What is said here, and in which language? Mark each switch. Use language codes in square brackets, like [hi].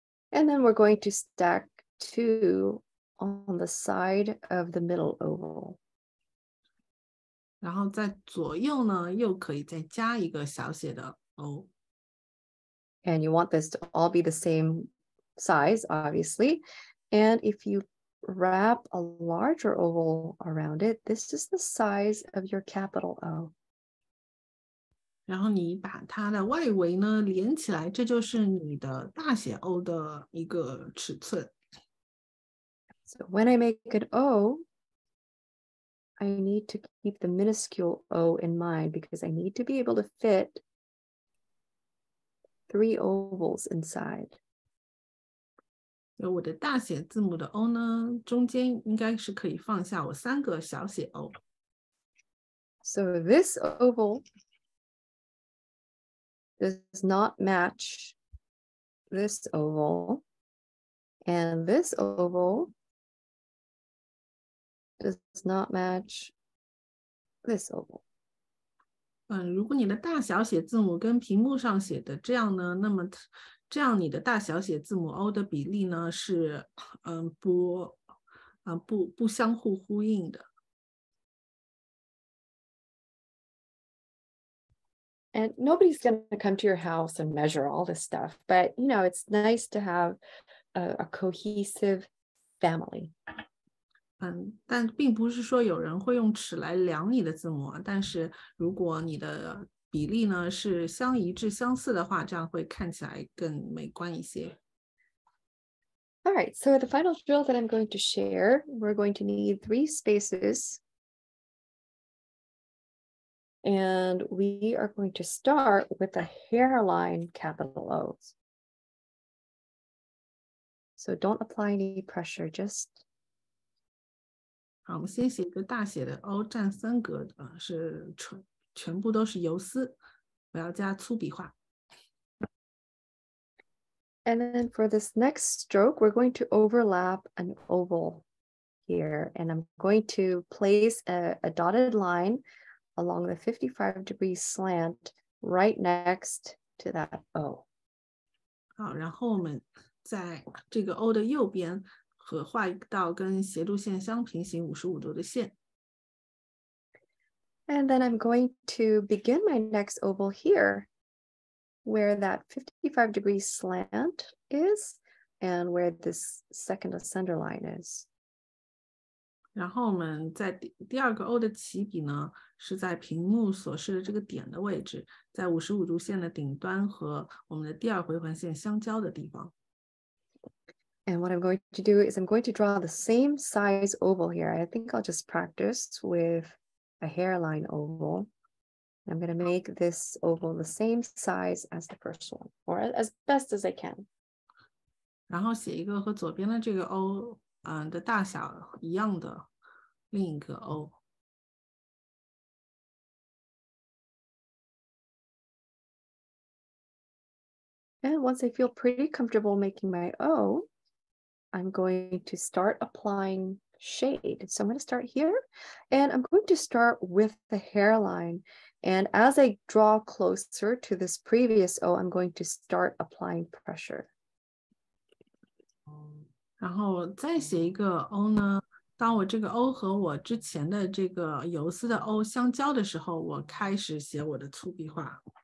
[en] And then we're going to stack two on the side of the middle oval. [zh] 然后在左右呢，又可以再加一个小写的 O. [en] And you want this to all be the same size, obviously. And if you wrap a larger oval around it, this is the size of your capital O. [zh] 然后你把它的外围呢，连起来，这就是你的大写 O 的一个尺寸。 [en] So when I make an O, I need to keep the minuscule O in mind because I need to be able to fit three ovals inside. [zh] 有我的大写字母的 O 呢，中间应该是可以放下我三个小写 O. [en] So this oval does not match this oval, and this oval does not match this oval. [zh] 如果你的大小写字母跟屏幕上写的这样呢，那么这样你的大小写字母 O 的比例呢是不相互呼应的。 [en] And nobody's going to come to your house and measure all this stuff, but you know, it's nice to have a cohesive family. [zh] 但并不是说有人会用尺来量你的字母，但是如果你的比例呢是相一致相似的话，这样会看起来更美观一些。 [en] All right, so the final drill that I'm going to share, we're going to need three spaces. And we are going to start with a hairline capital O. So don't apply any pressure, just... [zh] 好，我们先写一个大写的 O 占三格，是全部都是游丝，不要加粗笔画。 [en] And then for this next stroke, we're going to overlap an oval here, and I'm going to place a dotted line along the 55 degree slant right next to that O. [zh] 好，然后我们在这个 O 的右边和画一道跟斜度线相平行55度的线。 [en] And then I'm going to begin my next oval here, where that 55 degree slant is, and where this second center line is. [zh] 然后我们在第二个 O 的起笔呢，是在屏幕所示的这个点的位置，在55度线的顶端和我们的第二回环线相交的地方。 [en] And what I'm going to do is I'm going to draw the same size oval here. I think I'll just practice with a hairline oval. I'm going to make this oval the same size as the first one, or as best as I can. [zh] 然后写一个和左边的这个 O 的大小一样的另一个 O。 [en] And once I feel pretty comfortable making my O, I'm going to start applying shade. So I'm going to start here, and I'm going to start with the hairline. And as I draw closer to this previous O, I'm going to start applying pressure. [zh] 然后再写一个 O 呢，当我这个 O 和我之前的这个油丝的 O 相交的时候，我开始写我的粗笔画。